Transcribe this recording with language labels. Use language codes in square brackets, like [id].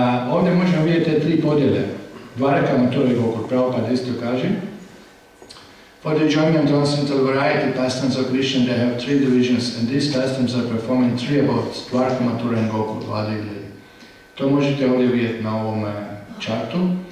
[hr] Ovdje možemo vidjeti tri podjele. Dvaraka, Matura i Gokul, Prabhupada isto kaže. [en] For the enjoyment of transcendental variety pastimes of Krishna, they have three divisions and these pastimes are performed in three abodes, Dvaraka, Matura i Gokul, dva divlje. [hr] To možete ovdje vidjeti na ovom chartu.